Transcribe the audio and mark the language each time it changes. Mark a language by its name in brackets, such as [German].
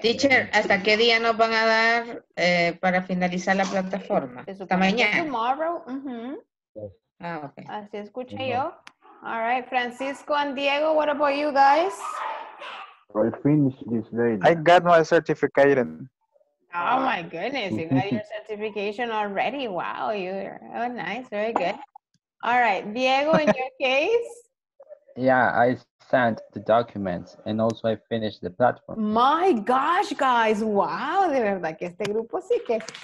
[Spanish] Teacher, ¿hasta qué día nos van a dar para finalizar la plataforma? ¿Hasta mañana? [English] Tomorrow. Uh-huh. Yes. Ah, okay. [Spanish] Así escuché yo. [English] All right, Francisco and Diego, what about you guys? I finished this day. I got my certificate. Oh my goodness, you got your certification already. Wow, you're nice, very good. All right, Diego, in your case? Yeah, I sent the documents and also I finished the platform. My gosh, guys, wow, [Spanish] de verdad que este grupo sí que.